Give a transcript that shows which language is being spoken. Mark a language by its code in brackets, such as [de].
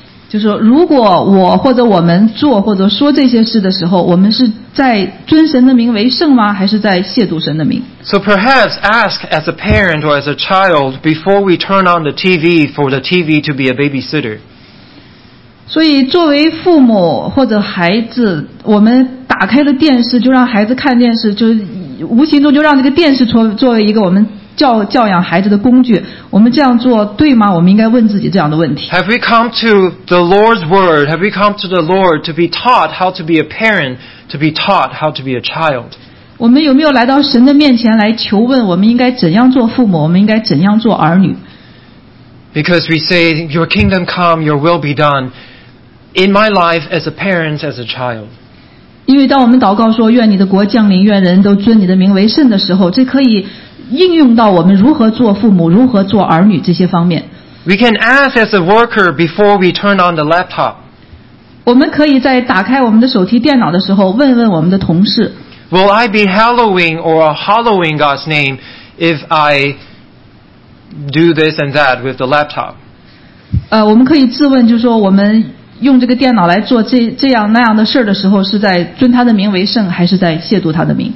[zh] 就说如果我或者我们做或者说这些事的时候，我们是在尊神的名为圣吗？还是在亵渎神的名？ [en] So perhaps ask as a parent or as a child before we turn on the TV for the TV to be a babysitter. [zh] 所以作为父母或者孩子，我们打开了电视就让孩子看电视，就无形中就让这个电视作为一个我们教养孩子的工具，我们这样做对吗？我们应该问自己这样的问题。 [en] Have we come to the Lord's word? Have we come to the Lord to be taught how to be a parent, to be taught how to be a child? [zh] 我们有没有来到神的面前来求问，我们应该怎样做父母，我们应该怎样做儿女？ [en] Because we say, your kingdom come, your will be done in my life as a parent, as a child. [zh] 因为当我们祷告说愿你的国降临，愿人都尊你的名为圣的时候，这可以应用到我们如何做父母，如何做儿女这些方面。 [en] We can ask as a worker before we turn on the laptop. [zh] 我们可以在打开我们的手提电脑的时候问问我们的同事。 [en] Will I be hallowing or hallowing God's name if I do this and that with the laptop? [zh] 我们可以自问，就是说我们用这个电脑来做 这样那样的事的时候，是在尊他的名为圣，还是在亵渎他的名？